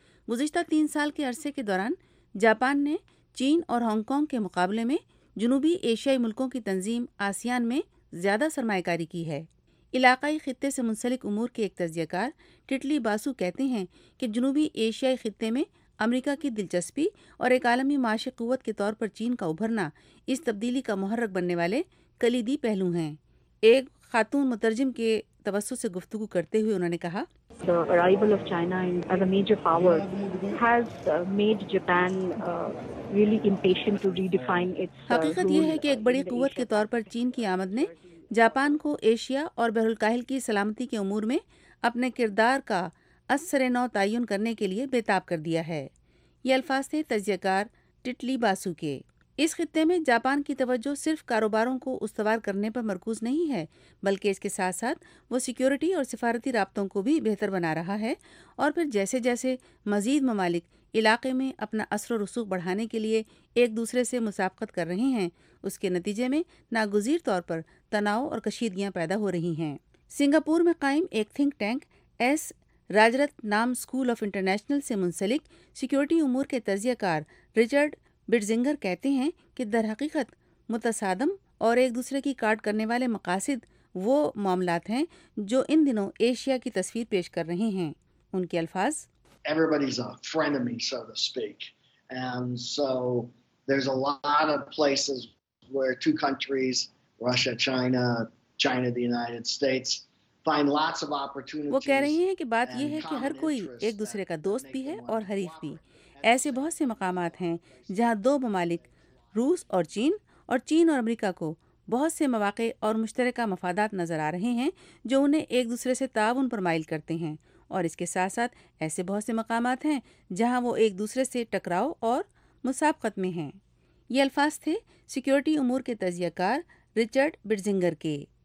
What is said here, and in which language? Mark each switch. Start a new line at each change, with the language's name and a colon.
Urdu: گزشتہ 3 سال کے عرصے کے دوران جاپان نے چین اور ہانگ کانگ کے مقابلے میں جنوبی ایشیائی ملکوں کی تنظیم آسیان میں زیادہ سرمایہ کاری کی ہے۔ علاقائی خطے سے منسلک امور کے ایک تجزیہ کار ٹٹلی باسو کہتے ہیں کہ جنوبی ایشیائی خطے میں امریکہ کی دلچسپی اور ایک عالمی معاشی قوت کے طور پر چین کا ابھرنا اس تبدیلی کا محرک بننے والے کلیدی پہلو ہیں۔ ایک خاتون مترجم کے توسط سے گفتگو کرتے ہوئے انہوں نے کہا،
English: The arrival of China as a major power has made Japan really impatient to redefine its role.
Urdu: حقیقت یہ ہے کہ ایک بڑی قوت کے طور پر چین کی آمد نے جاپان کو ایشیا اور بحر الکاہل کی سلامتی کے امور میں اپنے کردار کا اثر نو تعین کرنے کے لیے بےتاب کر دیا ہے۔ یہ الفاظ تھے تجزیہ کار ٹٹلی باسو کے۔ اس خطے میں جاپان کی توجہ صرف کاروباروں کو استوار کرنے پر مرکوز نہیں ہے، بلکہ اس کے ساتھ ساتھ وہ سیکیورٹی اور سفارتی رابطوں کو بھی بہتر بنا رہا ہے، اور پھر جیسے جیسے مزید ممالک علاقے میں اپنا اثر و رسوخ بڑھانے کے لیے ایک دوسرے سے مسابقت کر رہے ہیں، اس کے نتیجے میں ناگزیر طور پر تناؤ اور کشیدگیاں پیدا ہو رہی ہیں۔ سنگاپور میں قائم ایک تھنک ٹینک ایس راجرت نام اسکول آف انٹرنیشنل سے منسلک سیکیورٹی امور کے تجزیہ کار رچرڈ برزنگر کہتے ہیں کہ در حقیقت متصادم اور ایک دوسرے کی کاٹ کرنے والے مقاصد وہ معاملات ہیں جو ان دنوں ایشیا کی تصویر پیش کر رہے ہیں۔ ان کے الفاظ،
English: Everybody's a frenemy, so to speak. And so there's a lot of places where two countries, Russia, China, China, the United States, find lots of opportunities.
Urdu: وہ کہہ رہے ہیں کہ بات یہ ہے کہ ہر کوئی ایک دوسرے کا دوست بھی ہے اور حریف بھی۔ ایسے بہت سے مقامات ہیں جہاں دو ممالک، روس اور چین، اور چین اور امریکہ کو بہت سے مواقع اور مشترکہ مفادات نظر آ رہے ہیں جو انہیں ایک دوسرے سے تعاون پر مائل کرتے ہیں، اور اس کے ساتھ ساتھ ایسے بہت سے مقامات ہیں جہاں وہ ایک دوسرے سے ٹکراؤ اور مسابقت میں ہیں۔ یہ الفاظ تھے سیکیورٹی امور کے تجزیہ کار رچرڈ برزنگر کے۔